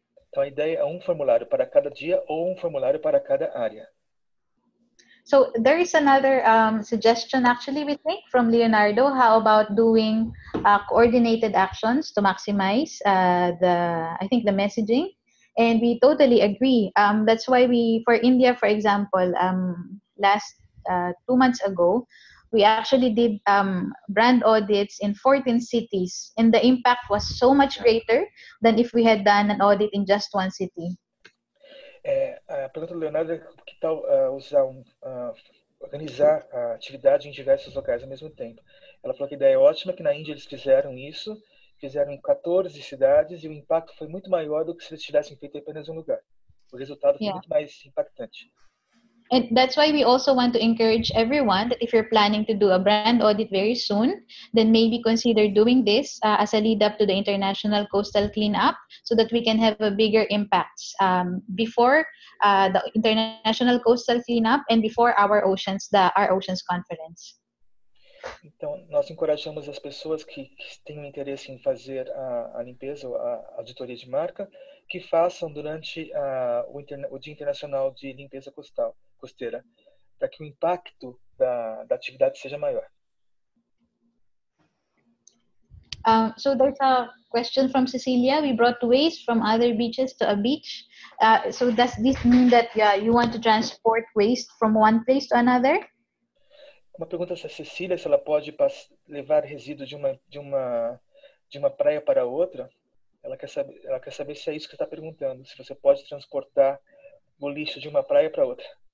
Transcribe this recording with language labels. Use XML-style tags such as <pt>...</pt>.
<pt>Então a ideia é formulário para cada dia ou formulário para cada área.</pt> <en>So there is another suggestion actually we think from Leonardo. How about doing coordinated actions to maximize the messaging? And we totally agree. That's why we, for India for example, last 2 months ago, we actually did brand audits in 14 cities, and the impact was so much greater than if we had done an audit in just one city.</en> <pt>Pergunta do Leonardo, que tal usar organizar a atividade em diversos locais ao mesmo tempo? Ela falou que a ideia é ótima, que na Índia eles fizeram isso, fizeram em 14 cidades, e o impacto foi muito maior do que se eles tivessem feito em apenas um lugar. O resultado foi muito mais impactante.</pt> <en>And that's why we also want to encourage everyone that if you're planning to do a brand audit very soon, then maybe consider doing this as a lead up to the international coastal cleanup so that we can have a bigger impact before the international coastal cleanup and before our oceans conference.</en> <pt>Então, nós encorajamos as pessoas que têm interesse em fazer a limpeza ou a auditoria de marca que façam durante o Dia Internacional de Limpeza Costeira, para que o impacto da atividade seja maior.</pt> <en>So there's a question from Cecilia. We brought waste from other beaches to a beach. So does this mean that you want to transport waste from one place to another?</en> <pt>Uma pergunta para Cecília, se ela pode levar resíduos de uma praia para outra. Ela quer saber se é isso que está perguntando, se você pode transportar o lixo de uma praia para outra.</pt>